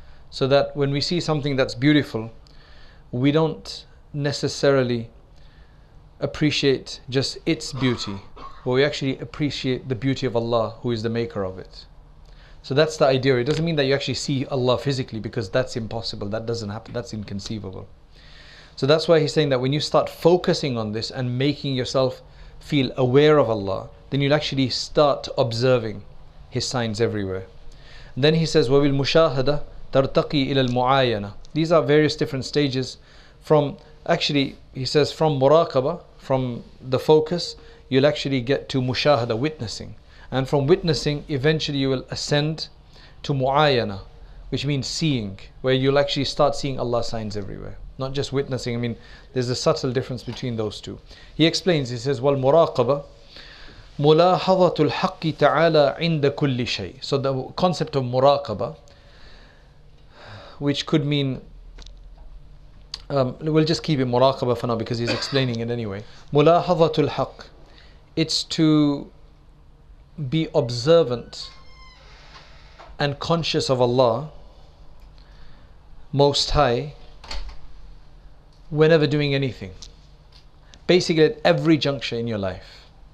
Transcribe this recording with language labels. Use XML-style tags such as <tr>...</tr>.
<en>So that when we see something that's beautiful, we don't necessarily appreciate just its beauty, but we actually appreciate the beauty of Allah, who is the maker of it. So that's the idea. It doesn't mean that you actually see Allah physically, because that's impossible. That doesn't happen. That's inconceivable. So that's why he's saying that when you start focusing on this and making yourself feel aware of Allah, then you'll actually start observing His signs everywhere.</en> <ar>And then he says, وَبِالْ مُشَاهَدَةِ تَرْتَقِي إِلَى الْمُعَايَنَةِ.</ar> <en>These are various different stages. From muraqaba, from the focus, you'll actually get to mushahada, witnessing. And from witnessing, eventually you will ascend to mu'ayana, which means seeing, where you'll actually start seeing Allah's signs everywhere. Not just witnessing, I mean, there's a subtle difference between those two.</en> <ar>He explains, he says, وَالْمُرَاقَبَ مُلَاحَظَةُ الْحَقِّ تَعَالَى عِنْدَ كُلِّ شَيْءٍ.</ar> <en>So the concept of muraqaba, which could mean, we'll just keep it muraqaba for now because he's explaining it anyway.</en> <ar>مُلَاحَظَةُ الْحَقِّ,</ar> <en>it's to be observant and conscious of Allah Most High whenever doing anything, basically at every juncture in your life.</en>